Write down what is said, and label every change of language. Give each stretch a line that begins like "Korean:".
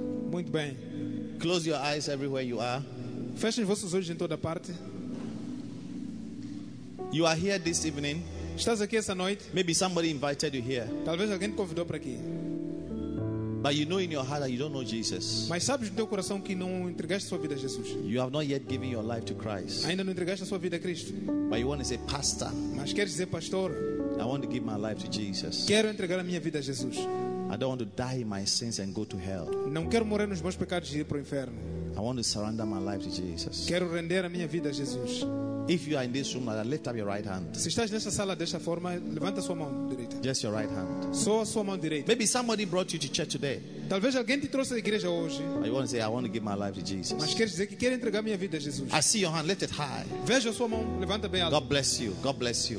Portuguese: Muito bem.
English: Close your eyes everywhere you are.
Portuguese: Fechem vossos olhos em toda parte.
English: You are here this evening.
Portuguese: Estás aqui essa noite?
English: Maybe somebody invited you here.
Portuguese: Talvez alguém te convidou para aqui.
English: But you know in your heart that you don't know Jesus.
Portuguese: Mas sabes no teu coração que não entregaste sua vida a Jesus.
English: You have not yet given your life to Christ.
Portuguese: Ainda não entregaste a sua vida a Cristo.
English: But you want to say, pastor.
Portuguese: Mas queres dizer pastor?
English: I want to give my life to Jesus.
Portuguese: Quero entregar a minha vida a Jesus.
English: I don't want to die in my sins and go to hell.
Portuguese: Não quero morrer nos meus pecados e ir para o inferno.
English: I want to surrender my life to Jesus.
Portuguese: Quero render a minha vida a Jesus.
English: If you are in this room, lift up your right hand.
Portuguese: Se estás nessa sala desta forma, levanta sua mão direita.
English: Just your right hand.
Portuguese: Só a sua mão direita.
English: Maybe somebody brought you to church today.
Portuguese: Talvez alguém te trouxe à igreja hoje.
English: I want to say I want to give my life to Jesus.
Portuguese: Mas queres dizer que quer entregar minha vida a Jesus?
English: I see your hand. Lift it high.
Portuguese: Veja sua mão. Levanta bem alto.
English: God bless you. God bless you.